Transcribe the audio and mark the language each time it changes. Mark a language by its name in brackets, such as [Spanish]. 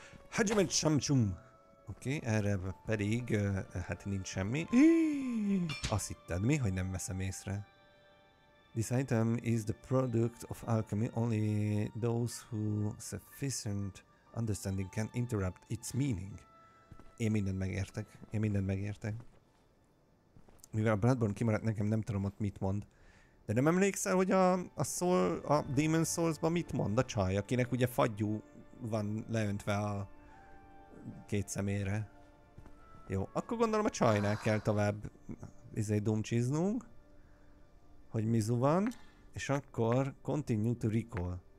[Hungarian] Hajime Chamchum. Oké, erre pedig, hát nincs semmi. Azt hitted mi, hogy nem veszem észre? [English] This item is the product of alchemy, only those who sufficient understanding can interpret its meaning. [Hungarian] Én mindent megértek. Mivel a Bloodborne kimaradt nekem, nem tudom ott mit mond. De nem emlékszel, hogy a Demon's Souls-ban mit mond a csaj, akinek ugye fagyú van leöntve a... két szemére. Jó, akkor gondolom a csajnál kell tovább dumcsiznunk, hogy mizu van, és akkor [English] continue to recall.